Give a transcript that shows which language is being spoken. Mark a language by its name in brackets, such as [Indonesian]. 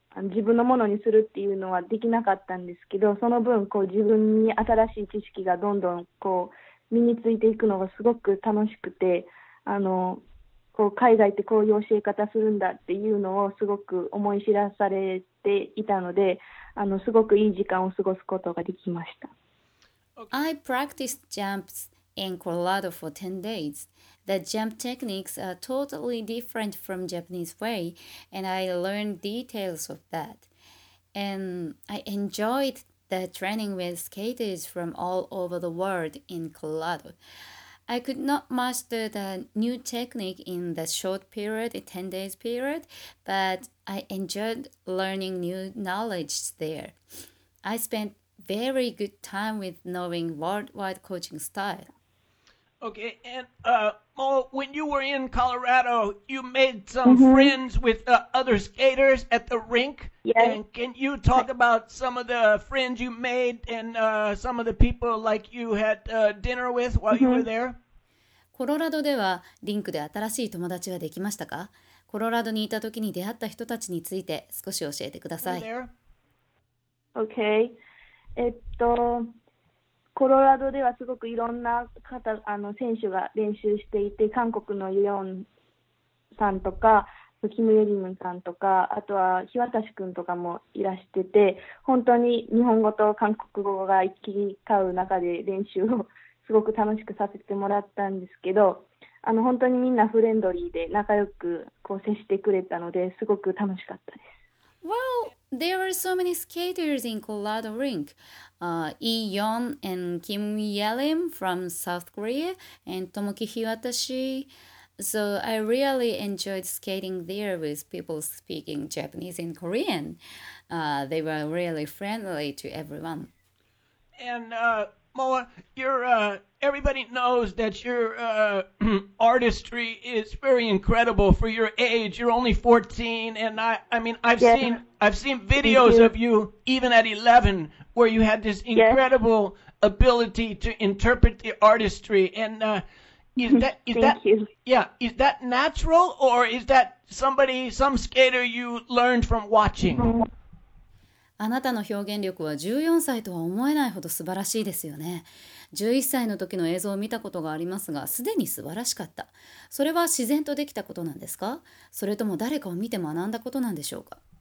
[Japanese] 自分のものにするっていうのはできなかったんですけど、その分こう自分に新しい知識がどんどんこう身についていくのがすごく楽しくて、こう海外ってこういう教え方するんだっていうのをすごく思い知らされていたので、すごくいい時間を過ごすことができました。 [English] I practiced jumps in Colorado for 10 days. The jump techniques are totally different from Japanese way, and I learned details of that. And I enjoyed the training with skaters from all over the world in Colorado. I could not master the new technique in the short period, a 10-day period, but I enjoyed learning new knowledge there. I spent very good time with knowing worldwide coaching style. Okay, and Mo, when you were in Colorado, you made some mm-hmm. friends with other skaters at the rink. Yes. And can you talk about some of the friends you made and some of the people like you had dinner with while mm-hmm. you were there? [Japanese] コロラドではリンクで新しい友達ができましたか？コロラドにいた時に出会った人たちについて少し教えてください。 [English] Okay. [Japanese] コロラドではすごくいろんな方あの選手が練習していて、韓国のユヨンさんとか、キムユリムさんとか、あとは日渡くんとかもいらしてて、本当に日本語と韓国語が行き交う中で練習をすごく楽しくさせてもらったんですけど、あの本当にみんなフレンドリーで仲良くこう接してくれたので、すごく楽しかったです。 [English] Well, there are so many skaters in Colorado Rink. Lee Yeon and Kim Yelim from South Korea and Tomoki Hiwatashi. So I really enjoyed skating there with people speaking Japanese and Korean. They were really friendly to everyone. And Moa, everybody knows that your artistry is very incredible for your age. You're only 14, and I've seen videos of you even at 11, where you had this incredible ability to interpret the artistry. And is that natural, or is that some skater you learned from watching? [Japanese] あなたの表現力は14歳とは思えないほど素晴らしいですよね。 11歳の時の映像を見たことがありますが、すでに素晴らしかった。それは自然とできたことなんですか？それとも誰かを見て学んだことなんでしょうか？